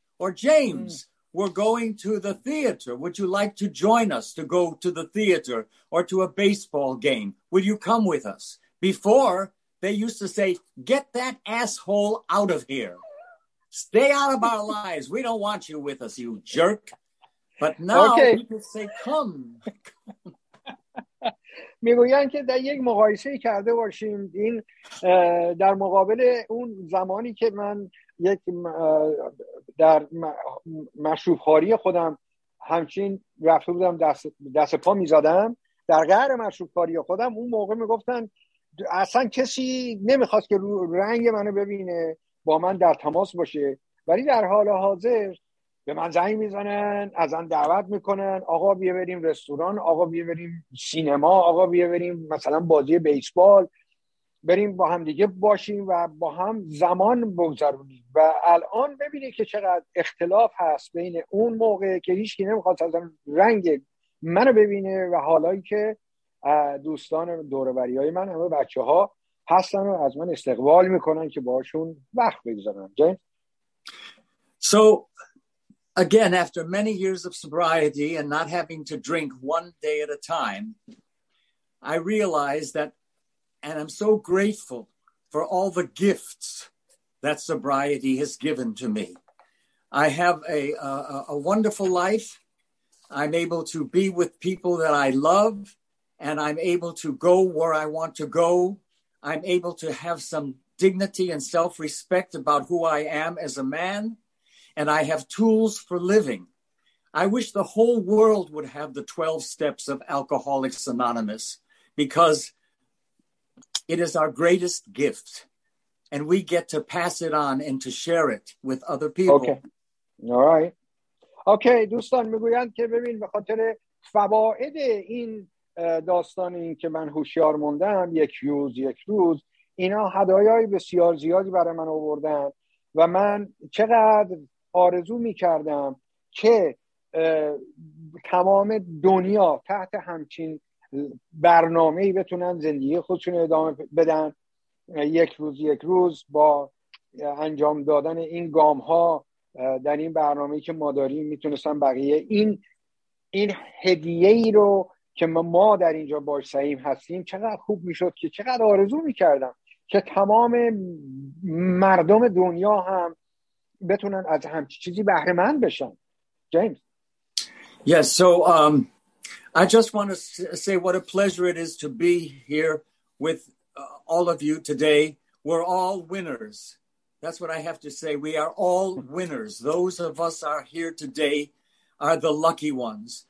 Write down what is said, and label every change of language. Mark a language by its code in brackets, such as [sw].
[en] Or James, we're going to the theater. Would you like to join us to go to the theater or to a baseball game? Will you come with us? Before, they used to say, get that asshole out of here. Stay out of our lives. We don't want you with us, you jerk. But now people say, come. [fa] میگویند که در یک مقایسه کرده باشیم این در مقابل اون زمانی که من یک در مشروب خواری خودم همچین رفته بودم دست پا میزدم در غیر مشروب خواری خودم، اون موقع میگفتن اصلا کسی نمیخواست که رنگ منو ببینه، با من در تماس باشه. ولی در حال حاضر به من زنگ میزنن، ازن دعوت میکنن، آقا بیا بریم رستوران، آقا بیا بریم سینما، آقا بیا بریم مثلا بازی بیسبال، بریم با هم دیگه باشیم و با هم زمان بگذرونیم. و الان ببینی که چقدر اختلاف هست بین اون موقع که هیچکی نمیخواد از رنگ منو ببینه و حالایی که دوستان دوروبری های من همه بچه ها هستن و از من استقبال میکنن که باشون وقت بگذارن. [en] So again, after many years of sobriety and not having to drink one day at a time, I realized that, and I'm so grateful for all the gifts that sobriety has given to me. I have a wonderful life. I'm able to be with people that I love, and I'm able to go where I want to go. I'm able to have some dignity and self-respect about who I am as a man. And I have tools for living. I wish the whole world would have the 12 steps of Alcoholics Anonymous because it is our greatest gift and we get to pass it on and to share it with other people. Okay. All right. [fa] Okay, دوستان میگویند که ببین به خاطر فواید این داستان این که من هوشیار موندم یک روز اینا هدایای بسیار زیادی برای من آوردن و من چقدر آرزو می کردم که تمام دنیا تحت همچین برنامه‌ای بتونن زندگی خودشون ادامه بدن، یک روز با انجام دادن این گام ها در این برنامه‌ای که ما داریم میتونستن بقیه این هدیه‌ای رو که ما در اینجا باش سعیم هستیم چقدر خوب میشد که چقدر آرزو می کردم که تمام مردم دنیا هم بتونن از همچی چیزی بهره مند بشن. جیمز. [en] Yes, so I just want to say what a pleasure it is to be here with all of you today. We're all winners. That's what I have to say. We are all winners. Those of us are here today are the lucky ones.